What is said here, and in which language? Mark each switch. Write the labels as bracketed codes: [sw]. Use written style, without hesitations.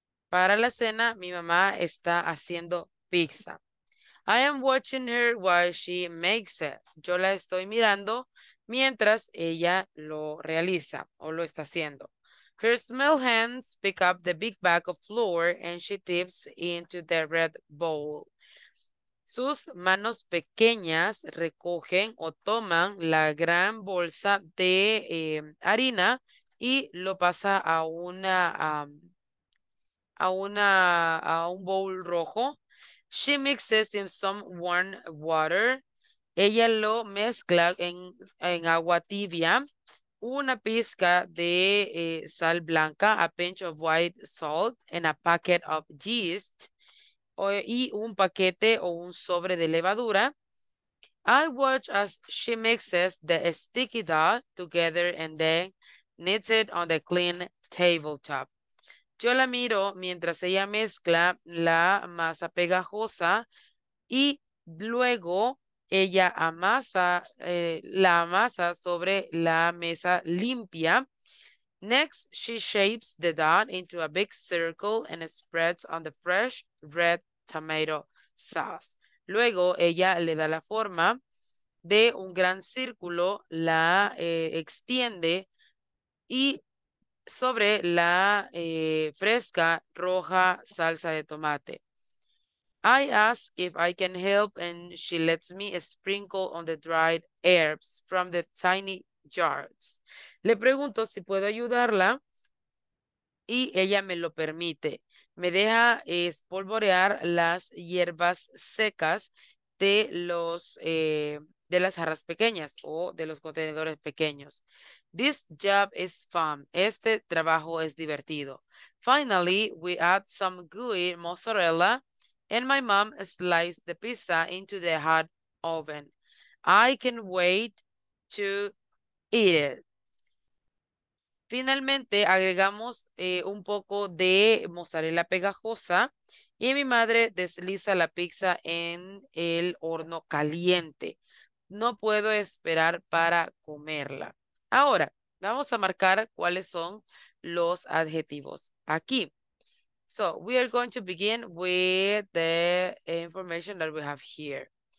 [es] Para la cena, mi mamá está haciendo pizza. [en] I am watching her while she makes it. [es] Yo la estoy mirando mientras ella lo realiza o lo está haciendo. [en] Her small hands pick up the big bag of flour and she dips into the red bowl. [es] Sus manos pequeñas recogen o toman la gran bolsa de harina y lo pasa a un bowl rojo. [en] She mixes in some warm water. [es] Ella lo mezcla en agua tibia. Una pizca de sal blanca, [en] a pinch of white salt, and a packet of yeast. [es] Y un paquete o un sobre de levadura. [en] I watch as she mixes the sticky dough together and then knits it on the clean tabletop. [es] Yo la miro mientras ella mezcla la masa pegajosa y luego ella amasa la masa sobre la mesa limpia. [en] Next, she shapes the dough into a big circle and spreads on the fresh red tomato sauce. [es] Luego, ella le da la forma de un gran círculo, la extiende y sobre la fresca roja salsa de tomate. [en] I ask if I can help and she lets me sprinkle on the dried herbs from the tiny jars. [es] Le pregunto si puedo ayudarla y ella me lo permite. Me deja espolvorear las hierbas secas de las jarras pequeñas o de los contenedores pequeños. [en] This job is fun. [es] Este trabajo es divertido. [en] Finally, we add some gooey mozzarella and my mom slices the pizza into the hot oven. I can wait to eat it. [es] Finalmente, agregamos un poco de mozzarella pegajosa y mi madre desliza la pizza en el horno caliente. No puedo esperar para comerla. Ahora, vamos a marcar cuáles son los adjetivos aquí. [en] So, we are going to begin with the information that we have here.